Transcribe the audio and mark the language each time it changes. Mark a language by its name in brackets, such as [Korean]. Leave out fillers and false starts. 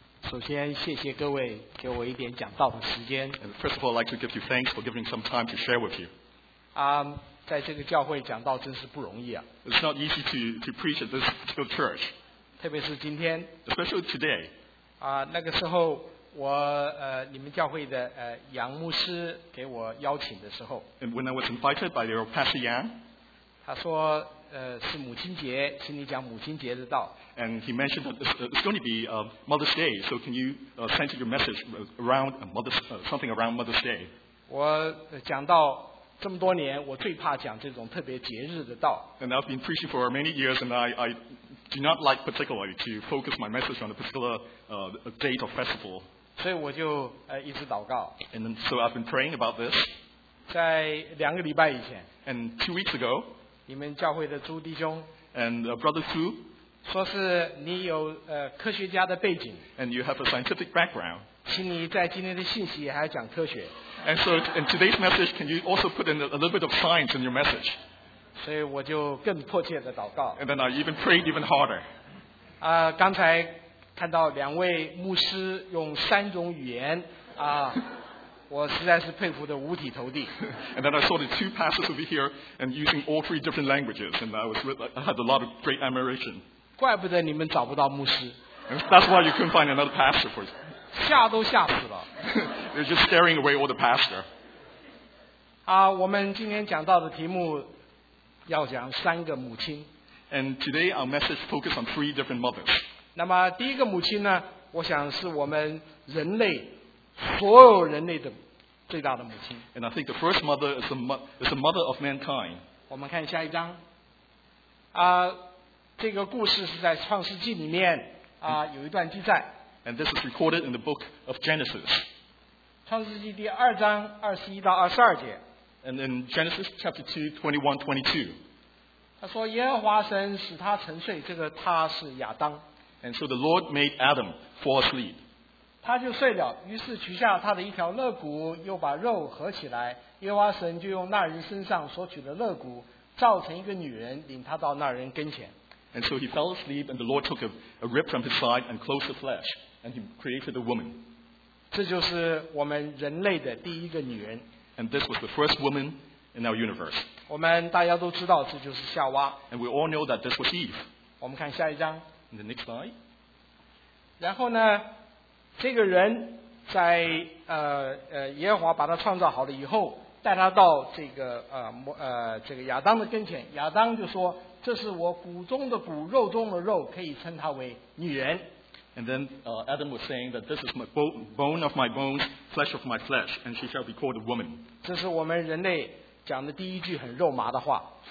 [Chinese] 首先，谢谢各位给我一点讲道的时间。 [English] First of all, I'd like to give you thanks for giving some time to share with you. [Chinese] 在这个教会讲道真是不容易啊。 [English] It's not easy to preach at this particular church. [Chinese] 特别是今天。 [English] Especially today. [Chinese] 那个时候我你们教会的杨牧师给我邀请的时候。 [English] And when I was invited by your pastor Yang. [Chinese] 他说。是母亲节，请你讲母亲节的道。 [English] And he mentioned that it's going to be Mother's Day, so can you center your message around Mother's something around Mother's Day? [Chinese] 我讲到这么多年，我最怕讲这种特别节日的道。 [English] And I've been preaching for many years, and I do not like particularly to focus my message on a particular date or festival. [Chinese] 所以我就一直祷告。 [English] And then, so I've been praying about this. [Chinese] 在两个礼拜以前。 [English] And 2 weeks ago. [Chinese] 你们教会的朱弟兄 [English] and brother Su [Chinese] 说是你有科学家的背景 [English] and you have a scientific background [Chinese] 请你在今天的信息还要讲科学 [English] and so in today's message can you also put in a little bit of science in your message [Chinese] 所以我就更迫切的祷告 [English] and then I even prayed even harder [Chinese] 刚才看到两位牧师用三种语言我实在是佩服得五体投地。 [English] And then I saw the two pastors over here and using all three different languages, and I had a lot of great admiration. [Chinese] 怪不得你们找不到牧师。 [English] And that's why you couldn't find another pastor for. [Chinese] 吓都吓死了。 [English] They're just scaring away all the pastor. [Chinese] 我们今天讲到的题目要讲三个母亲。 [English] And today our message focuses on three different mothers. [Chinese] 那么第一个母亲呢，我想是我们人类。所有人类的最大的母亲。 [English] And I think the first mother is the mother of mankind. [Chinese] 我们看下一章。这个故事是在创世纪里面有一段记载。 [English] And this is recorded in the book of Genesis. [Chinese] 创世纪第二章21-22节。 [English] And in Genesis chapter 2:21-22. [Chinese] 他说耶和华神使他沉睡，这个他是亚当。 [English] And so the Lord made Adam fall asleep. [Chinese] 他就睡了，于是取下他的一条肋骨，又把肉合起来。耶和华神就用那人身上所取的肋骨，造成一个女人，领他到那人跟前。 [English] And so he fell asleep, and the Lord took a rib from his side and closed the flesh, and he created a woman. [Chinese] 这就是我们人类的第一个女人。 [English] And this was the first woman in our universe. [Chinese] 我们大家都知道，这就是夏娃。 [English] And we all know that this was Eve. [Chinese] 我们看下一章。 [English] In the next slide. [Chinese] 然后呢？这个人在耶和华把他创造好了以后，带他到这个亚当的跟前，亚当就说：“这是我骨中的骨，肉中的肉，可以称他为女人。” [English] And then Adam was saying that this is my bone of my bones, flesh of my flesh, and she shall be called a woman. [Chinese] 这是我们人类讲的第一句很肉麻的话。